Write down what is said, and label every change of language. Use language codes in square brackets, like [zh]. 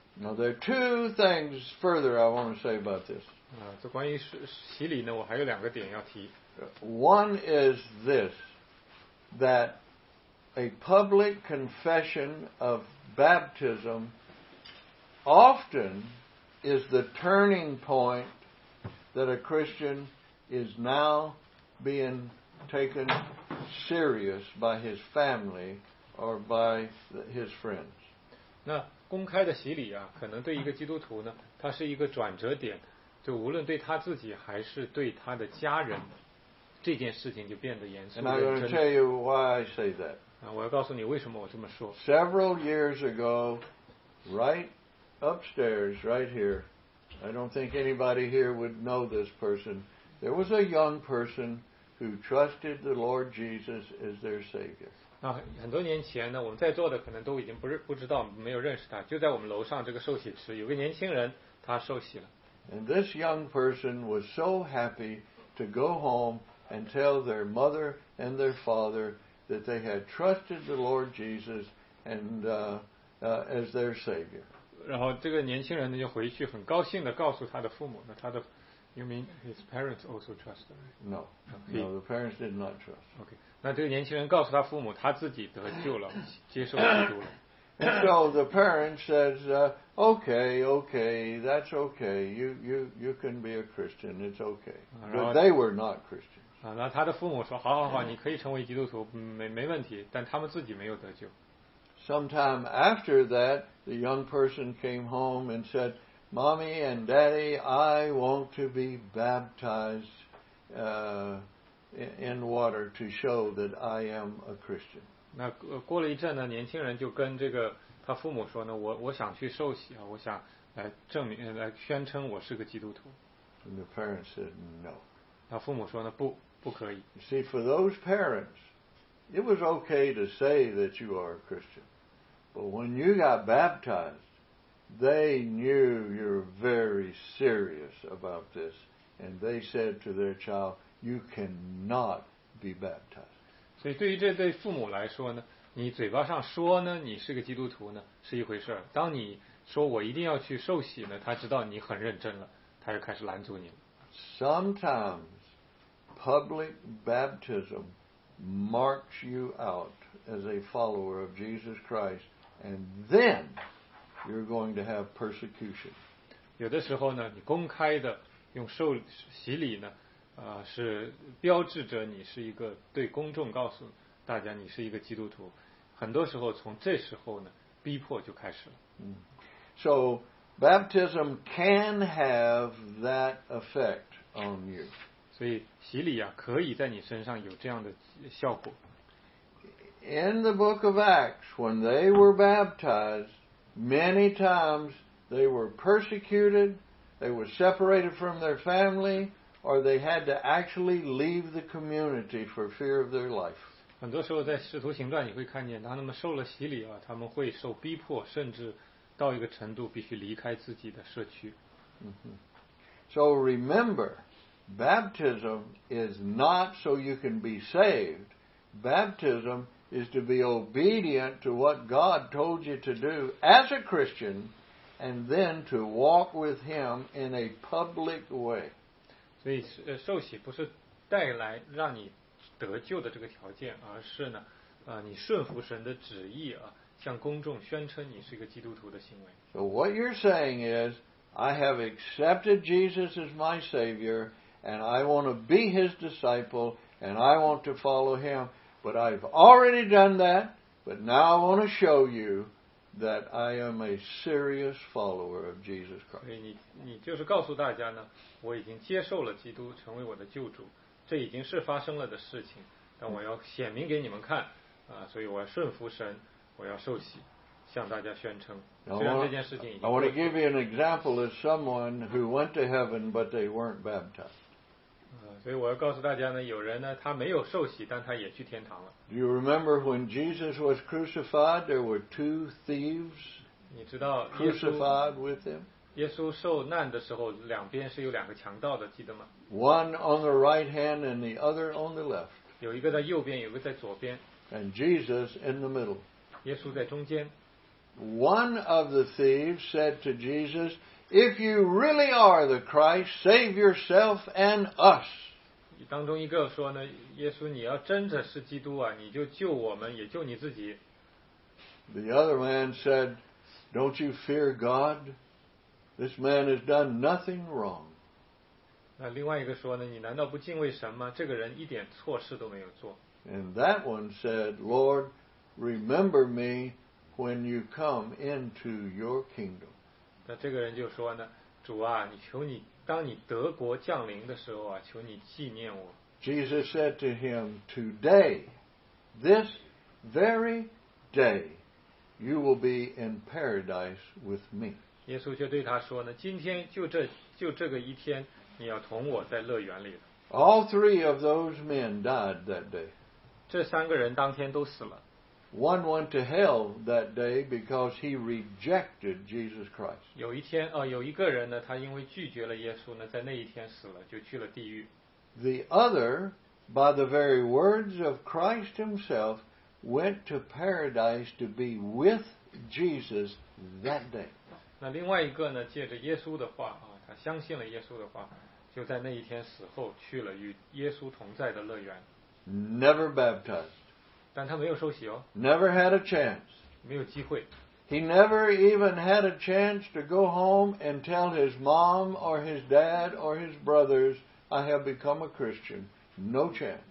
[en] Now there are two things further I want to say about this. [zh] 这关于洗礼呢，我还有两个点要提。 [en] One is this, that a public confession of baptism often is the turning point. That a Christian is now being taken serious by his family or by his friends. [zh] 那公开的洗礼啊，可能对一个基督徒呢，它是一个转折点，就无论对他自己还是对他的家人，这件事情就变得严肃。 [en] And I'm going to tell you why I say that. [zh] 我要告诉你为什么我这么说。 [en] Several years ago, right upstairs, right here. I don't think anybody here would know this person. There was a young person who trusted the Lord Jesus as their Savior. [zh] 那很多年前呢，我们在座的可能都已经不知道，没有认识他。就在我们楼上这个受洗池，有个年轻人，他受洗了。 [en] And this young person was so happy to go home and tell their mother and their father that they had trusted the Lord Jesus and as their Savior. [zh] 然后这个年轻人呢就回去很高兴地告诉他的父母，那他的 [en] you mean his parents also trusted him? No, no, the parents did not trust. [zh] Okay, 那这个年轻人告诉他父母他自己得救了，接受基督了。 [en] So the parents says, okay, okay, that's okay, you can be a Christian, it's okay. But they were not Christians. [zh] 那他的父母说好好好，你可以成为基督徒，没问题，但他们自己没有得救。 [en] Sometime after that, the young person came home and said, Mommy and Daddy, I want to be baptized in water to show that I am a Christian. [zh] 那过了一阵呢，年轻人就跟这个他父母说呢，我想去受洗啊，我想来证明，来宣称我是个基督徒。 [en] And the parents said, no. [zh] 他父母说呢，不可以。 [en] You see, for those parents,It was okay to say that you are a Christian. But when you got baptized, they knew you're very serious about this. And they said to their child, you cannot be baptized. [zh] 所以对于这对父母来说呢，你嘴巴上说呢，你是个基督徒呢，是一回事。当你说我一定要去受洗呢，他知道你很认真了，他就开始拦阻你了。 [en] Sometimes public baptismmarks you out as a follower of Jesus Christ, and then you're going to have persecution. [zh] 有的时候呢，你公开的用受洗礼呢，是标志着你是一个对公众告诉大家你是一个基督徒。很多时候从这时候呢，逼迫就开始了。 [en] So baptism can have that effect on you. [zh] 所以洗礼啊，可以在你身上有这样的效果。 [en] In the book of Acts, when they were baptized, many times they were persecuted, they were separated from their family, or they had to actually leave the community for fear of their life. [zh] 很多时候在使徒行传你会看见，当他们受了洗礼啊，他们会受逼迫，甚至到一个程度必须离开自己的社区。 [en] So remember. Baptism is not so you can be saved. Baptism is to be obedient to what God told you to do as a Christian, and then to walk with Him in a public way. [zh] 所以受洗不是带来让你得救的这个条件，而是呢你顺服神的旨意啊，向公众宣称你是一个基督徒的行为。 [en] So what you're saying is I have accepted Jesus as my Savior and I want to be his disciple and I want to follow him, but I've already done that, but now I want to show you that I am a serious follower of Jesus Christ. [zh] 所以 你就是告诉大家呢，我已经接受了基督成为我的救主，这已经是发生了的事情，但我要显明给你们看啊，所以我要顺服神，我要受洗，向大家宣称。虽然这件事情已经 [en] I want to give you an example of someone who went to heaven but they weren't baptized. [zh] 所以我要告诉大家呢，有人呢他没有受洗，但他也去天堂了。 [en] Do you remember when Jesus was crucified, there were two thieves crucified with him? [zh] 耶稣受难的时候，两边是有两个强盗的，记得吗？ [en] One on the right hand and the other on the left. [zh] 有一个在右边，有一个在左边。 [en] And Jesus in the middle. [zh] 耶稣在中间。 [en] One of the thieves said to Jesus, "If you really are the Christ, save yourself and us." [zh] 当中一个说呢，耶稣，你要真的是基督啊，你就救我们，也救你自己。 [en] The other man said, "Don't you fear God? This man has done nothing wrong." [zh] 那另外一个说呢，你难道不敬畏神吗？这个人一点错事都没有做。 [en] And that one said, "Lord, remember me when you come into your kingdom." [zh] 那这个人就说呢，主啊，你求你当你德国降临的时候啊，求你纪念我。 [en] Jesus said to him, "Today, this very day, you will be in paradise with me." [zh] 耶稣却对他说呢，今天就这个一天，你要同我在乐园里了。 [en] All three of those men died that day. [zh] 这三个人当天都死了。 [en] One went to hell that day because he rejected Jesus Christ. [zh] 有一天，有一个人呢，他因为拒绝了耶稣呢，在那一天死了，就去了地狱。 [en] The other, by the very words of Christ himself, went to paradise to be with Jesus that day. [zh] 那另外一个呢，借着耶稣的话啊，他相信了耶稣的话，就在那一天死后去了与耶稣同在的乐园。 [en] Never baptized. [zh] 但他没有受洗哦。 [en] Never had a chance. [zh] 没有机会。 [en] He never even had a chance to go home and tell his mom or his dad or his brothers, "I have become a Christian." No chance.